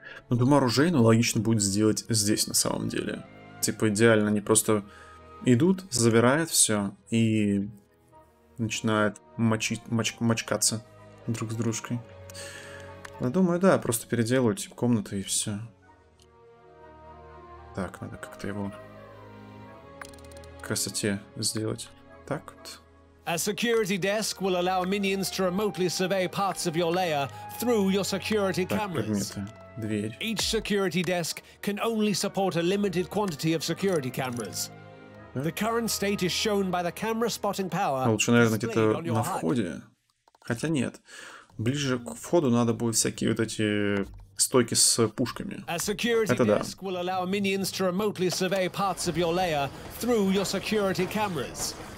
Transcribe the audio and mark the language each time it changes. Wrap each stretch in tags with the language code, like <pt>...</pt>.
<ru>Ну, думаю, оружейную логично будет сделать здесь на самом деле. Типа идеально, они просто идут, забирают все и начинают мочкаться друг с дружкой. Я думаю, да, просто переделаю типа комнату и все. Так, надо как-то его красоте сделать. Так вот.</ru> <en>A security desk will allow minions to remotely survey parts of your lair through your security cameras.</en> <ru>Так, предметы. Дверь.</ru> <en>Each security desk can only support a limited quantity of security cameras. The current state is shown by the camera spotting power.</en> <ru>Лучше, наверное, где-то на входе. Хотя нет. Ближе к входу надо будет всякие вот эти стойки с пушками. Это да.</ru> <en>Will allow minions to remotely survey parts of your lair through your security cameras.</en>